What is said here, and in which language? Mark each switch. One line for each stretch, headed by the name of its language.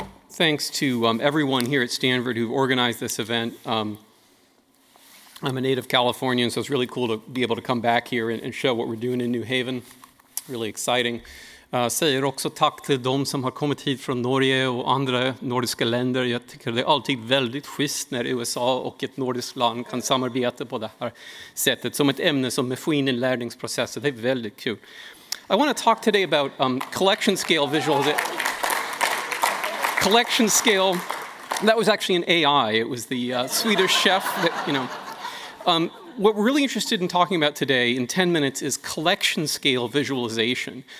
English: Thanks to everyone here at Stanford who've organized this event. I'm a native Californian, so it's really cool to be able to come back here and show what we're doing in New Haven. Really exciting.
Swedish: säger också tack till de som har kommit hit från Norge och andra nordiska länder. Jag tycker det är alltid väldigt schysst när USA och ett nordiskt land kan samarbeta på det här sättet som ett ämne som maskininlärningsprocesser. Det är väldigt kul.
English: I want to talk today about collection scale visualization. Collection scale, that was actually an AI. It was the Swedish chef that, you know. What we're really interested in talking about today in 10 minutes is collection scale visualization.